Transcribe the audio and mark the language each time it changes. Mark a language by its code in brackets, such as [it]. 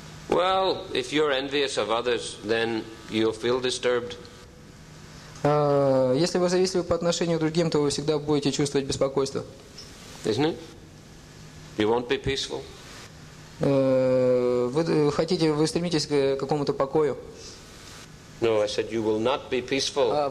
[en] Well, if you're envious of others, then you'll feel disturbed. [ru] Если вы зависливы по отношению к другим, то вы всегда будете чувствовать беспокойство. [en] Isn't it? You won't be peaceful. [ru] Вы стремитесь к какому-то покою? [en] No, I said you will not be peaceful.